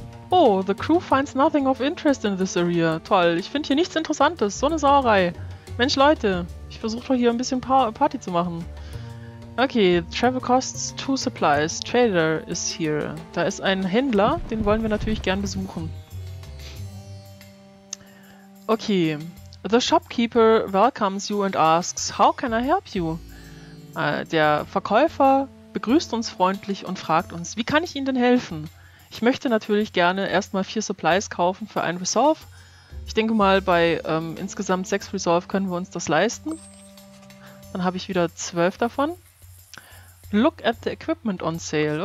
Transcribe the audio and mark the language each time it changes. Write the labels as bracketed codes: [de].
[en] Oh, the crew finds nothing of interest in this area. [de] Toll, ich finde hier nichts Interessantes. So eine Sauerei. Mensch, Leute. Ich versuche doch hier ein bisschen Party zu machen. [en] Okay, travel costs 2 supplies. Trader is here. [de] Da ist ein Händler, den wollen wir natürlich gern besuchen. Okay. [en] The shopkeeper welcomes you and asks, how can I help you? [de] Der Verkäufer begrüßt uns freundlich und fragt uns, wie kann ich Ihnen denn helfen? Ich möchte natürlich gerne erstmal 4 supplies kaufen für ein Resolve. Ich denke mal, bei insgesamt 6 Resolve können wir uns das leisten. Dann habe ich wieder 12 davon. [en] Look at the equipment on sale.